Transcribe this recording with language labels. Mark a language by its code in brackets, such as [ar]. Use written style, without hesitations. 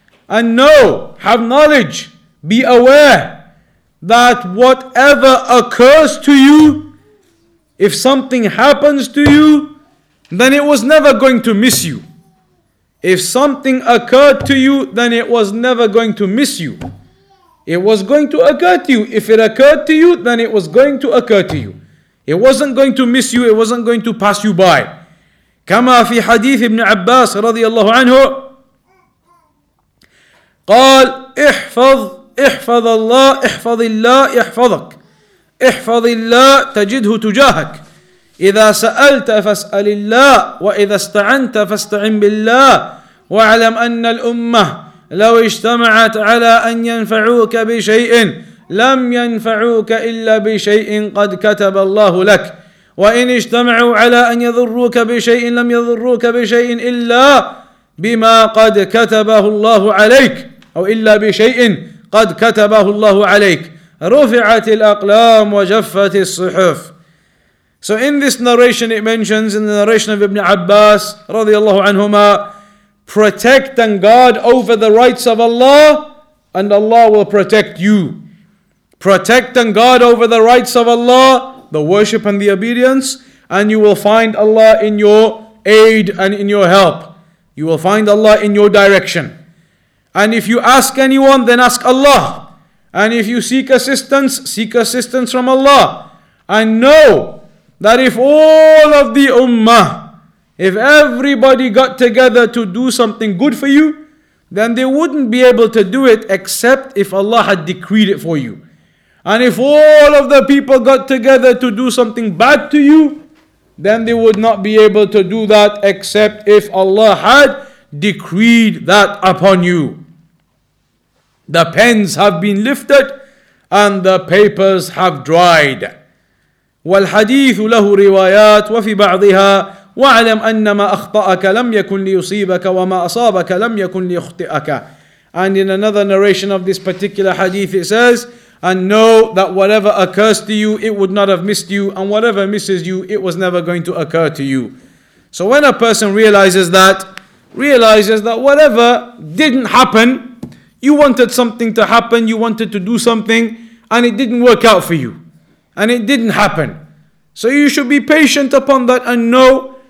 [en] And know, have knowledge, be aware, that whatever occurs to you, if something happens to you, then it was never going to miss you. If something occurred to you, then it was never going to miss you. It was going to occur to you. If it occurred to you, then it was going to occur to you. It wasn't going to miss you. It wasn't going to pass you by. [ar] كما في حديث ابن عباس رضي الله عنه قال احفظ احفظ الله احفظ الله يحفظك احفظ الله تجده تجاهك إذا سألت فاسأل الله وإذا استعنت فاستعن بالله واعلم أن الأمة لو اجتمعت على أن ينفعوك بشيء لم ينفعوك إلا بشيء قد كتب الله لك وإن اجتمعوا على أن يضروك بشيء لم يضروك بشيء إلا بما قد كتبه الله عليك أو إلا بشيء قد كتبه الله عليك رفعت الأقلام وجفت الصحف. [en] So in this narration it mentions, in the narration of Ibn Abbas رضي الله عنهما, protect and guard over the rights of Allah and Allah will protect you. Protect and guard over the rights of Allah, the worship and the obedience, and you will find Allah in your aid and in your help. You will find Allah in your direction. And if you ask anyone, then ask Allah. And if you seek assistance from Allah. And know that if all of the ummah, if everybody got together to do something good for you, then they wouldn't be able to do it except if Allah had decreed it for you. And if all of the people got together to do something bad to you, then they would not be able to do that except if Allah had decreed that upon you. The pens have been lifted and the papers have dried. [ar] والحديث له روايات وفي بعضها وَعَلَمْ أَنَّمَا أَخْطَأَكَ لَمْ يَكُنْ لِيُصِيبَكَ وَمَا أَصَابَكَ لَمْ يَكُنْ لِيُخْطِئَكَ. [en] And in another narration of this particular hadith it says, and know that whatever occurs to you, it would not have missed you, and whatever misses you, it was never going to occur to you. So when a person realizes that whatever didn't happen, you wanted something to happen, you wanted to do something, and it didn't work out for you. And it didn't happen. So you should be patient upon that and know